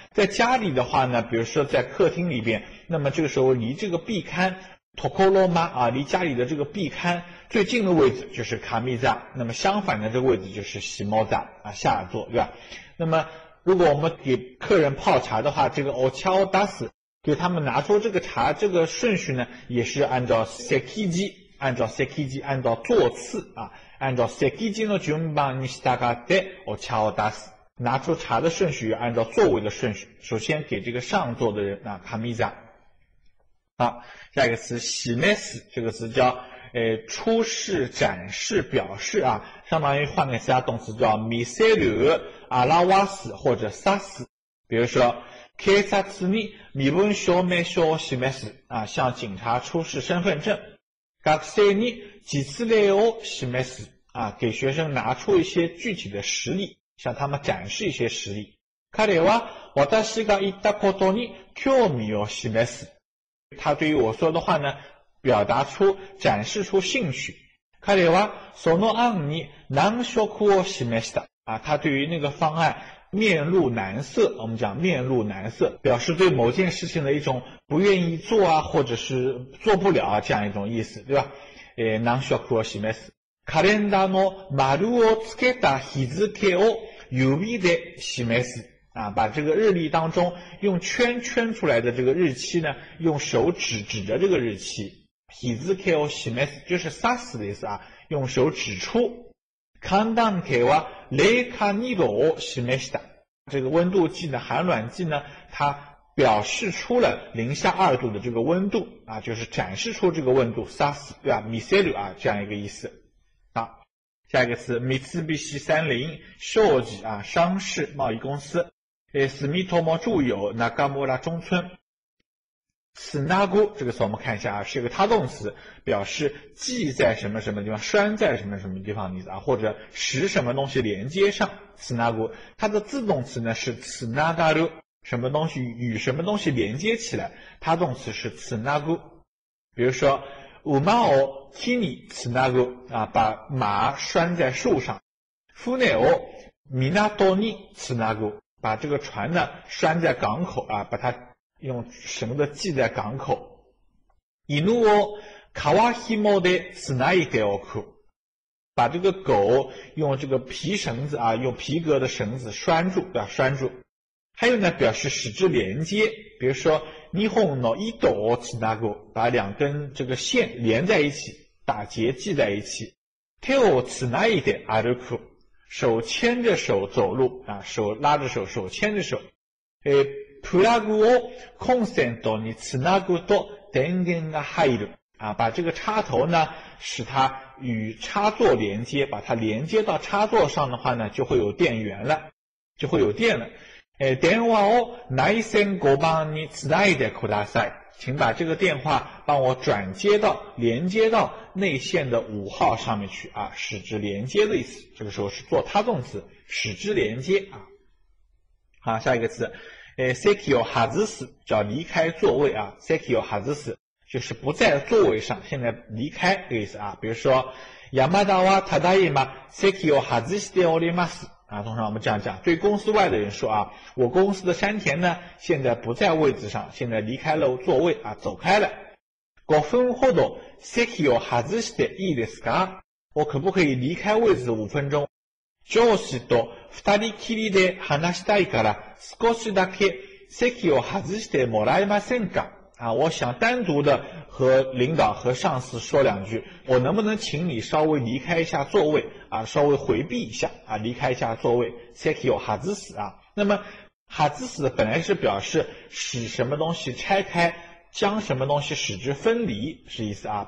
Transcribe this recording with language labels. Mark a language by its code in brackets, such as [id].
[zh] 在家里的话呢，比如说在客厅里边，那么这个时候离这个壁龛ところま啊，离家里的这个壁龛最近的位置就是卡米扎，那么相反的这个位置就是西摩扎啊，下座，对吧？那么如果我们给客人泡茶的话，这个 [ja] お茶を出す [zh] 对他们拿出这个茶这个顺序呢，也是按照 sekiji， 按照 sekiji， 按照座次啊，按照 [ja] sekiji の順番に従ってお茶を出す。 [zh] 拿出茶的顺序按照座位的顺序，首先给这个上座的人啊，カミザ。好，下一个词示す，这个词叫出示、展示、表示啊，相当于换个其他动词叫見せる、表す或者さす。比如说， [ja] 警察に身分証明書を示す [zh] 啊，向警察出示身份证。 [ja] 学生に実例を示す [zh] 啊，给学生拿出一些具体的实例，向他们展示一些实例。 [ja] 彼は私が言ったことに興味を示す。 [zh] 他对于我说的话呢，表达出、展示出兴趣。 [ja] 彼はその案に難色を示した。 [zh] 啊，他对于那个方案面露难色，我们讲面露难色，表示对某件事情的一种不愿意做啊，或者是做不了啊，这样一种意思，对吧？ [ja] 難色を示す。カレンダーの丸をつけた日付を指で示す。 [zh] 啊，把这个日历当中用圈圈出来的这个日期呢，用手指指着这个日期。日付を示す就是刺す的意思啊，用手指出。 [ja] 寒暖計は零下2度を示した。 [zh] 这个温度计呢，寒暖计呢，它表示出了零下二度的这个温度啊，就是展示出这个温度。刺す对吧？見せる啊，这样一个意思。下一个词，三菱三菱商事啊，商事贸易公司。住友住友中村中村。つなぐ这个词我们看一下啊，是一个他动词，表示系在什么什么地方，拴在什么什么地方的意思啊，或者使什么东西连接上。つなぐ它的自动词呢是つながる，什么东西与什么东西连接起来，他动词是つなぐ。比如说 [ja] 馬を木につなぐ [zh] 啊，把马拴在树上。 [ja] 船を港につなぐ， [zh] 把这个船呢拴在港口啊，把它用绳子系在港口。 [ja] 犬を川紐でつないでおく， [zh] 把这个狗用这个皮绳子啊，用皮革的绳子拴住，对吧？拴住。还有呢，表示使之连接，比如说 [ja] 日本の糸をつなぐ， [zh] 把两根这个线连在一起，打结系在一起。 [ja] 手をつないで歩く， [zh] 手牵着手走路啊，手拉着手，手牵着手。 [ja] プラグをコンセントにつなぐと電源が入る [zh] 啊，把这个插头呢，使它与插座连接，把它连接到插座上的话呢，就会有电源了，就会有电了。 [ja] 電話を内線5番につないでください。 [zh] 请把这个电话帮我转接到、连接到内线的5号上面去啊，使之连接的意思。这个时候是做他动词，使之连接啊。好，下一个词，席を外す，叫离开座位啊。席を外す就是不在座位上，现在离开的意思啊。比如说， [ja] 山田はただいま席を外しております。 [zh] 啊，通常我们这样讲，对公司外的人说啊，我公司的山田呢，现在不在位置上，现在离开了座位啊，走开了。 [ja] 5分ほど席を外していいですか？ [zh] 我可不可以离开位置5分钟？ [ja] 上司と2人きりで話したいから少しだけ席を外してもらえませんか？ [zh] 啊，我想单独的和领导和上司说两句，我能不能请你稍微离开一下座位啊，稍微回避一下啊，离开一下座位。席を外す啊，那么外す本来是表示使什么东西拆开，将什么东西使之分离是意思啊。